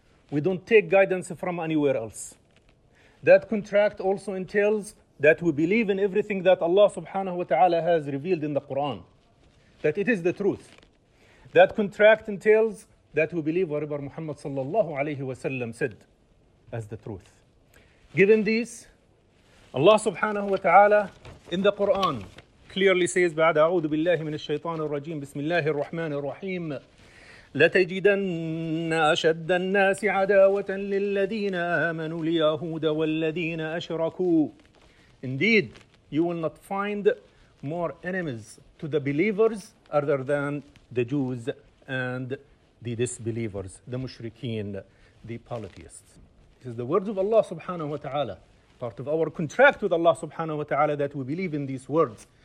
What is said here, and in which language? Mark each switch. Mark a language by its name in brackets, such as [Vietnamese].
[English] We don't take guidance from anywhere else. That contract also entails that we believe in everything that Allah subhanahu wa ta'ala has revealed in the Quran. That it is the truth. That contract entails that we believe whatever Muhammad sallallahu alayhi wa sallam said as the truth. Given this, Allah subhanahu wa ta'ala in the Quran clearly says, [Arabic] بعد أعوذ بالله من الشيطان الرجيم بسم الله الرحمن الرحيم لتجدن أشد الناس عداوة للذين آمنوا اليهود والذين أشركوا. [English] Indeed, you will not find more enemies to the believers other than the Jews and the disbelievers, the mushrikeen, the polytheists. This is the words of Allah subhanahu wa ta'ala, part of our contract with Allah subhanahu wa ta'ala that we believe in these words.